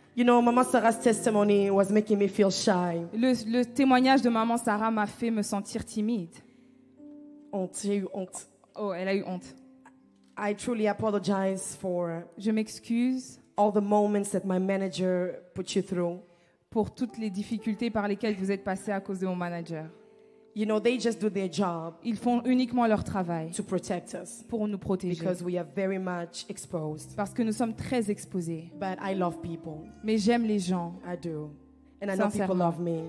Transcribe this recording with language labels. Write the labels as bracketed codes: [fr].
[en] You know, Mama Sarah's testimony was making me feel shy. [fr] Le témoignage de Maman Sarah m'a fait me sentir timide. Honte, j'ai eu honte. Oh, elle a eu honte. [en] I truly apologize for. [fr] Je m'excuse. [en] All the moments that my manager put you through. [fr] Pour toutes les difficultés par lesquelles vous êtes passé à cause de mon manager. [en] You know, they just do their job. [fr] Ils font uniquement leur travail. [en] To protect us. [fr] Pour nous protéger. [en] Because we are very much exposed. [fr] Parce que nous sommes très exposés. [en] But I love people. [fr] Mais j'aime les gens. [en] I do. And I know people love me.